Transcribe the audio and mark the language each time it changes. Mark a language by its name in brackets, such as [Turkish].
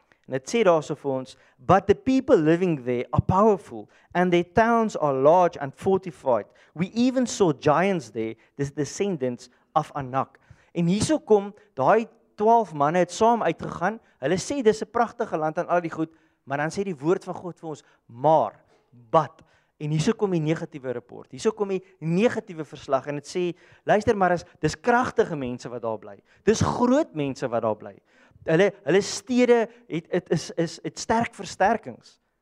[Afrikaans] En dit sê daarso vir ons, [English] but the people living there are powerful and their towns are large and fortified. We even saw giants there, the descendants of Anak. [Afrikaans] En hierso kom daai 12 manne het saam uitgegaan. Hulle sê dis 'n pragtige land en al die goed, maar dan sê die woord van God vir ons, maar, but. En hierso kom die negatiewe rapport. Hierso kom die negatiewe verslag en dit sê, luister maar, dis kragtige mense wat daar bly. Dis groot mense wat daar bly. Hulle stede het sterk versterkings.